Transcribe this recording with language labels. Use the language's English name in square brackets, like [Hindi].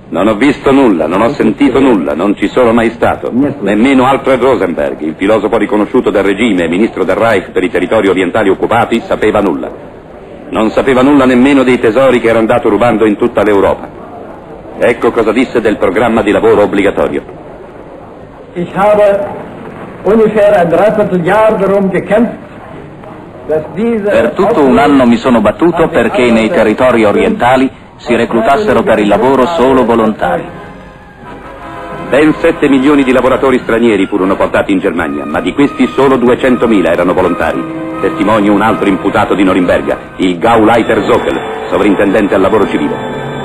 [Italian] Non ho visto nulla, non ho sentito nulla, non ci sono mai stato. Nemmeno Alfred Rosenberg, il filosofo riconosciuto dal regime e ministro del Reich per i territori orientali occupati, sapeva nulla. Non sapeva nulla nemmeno dei tesori che era andato rubando in tutta l'Europa. Ecco cosa disse del programma di lavoro obbligatorio. [German] Ich habe ungefähr ein dreiviertel Jahr darum gekämpft, dass diese. [Italian] Per tutto un anno mi sono battuto perché nei territori orientali si reclutassero per il lavoro solo volontari. Ben 7 milioni di lavoratori stranieri furono portati in Germania, ma di questi solo 200.000 erano volontari. Testimonio un altro imputato di Norimberga, il Gauleiter Sokel, sovrintendente al lavoro civile.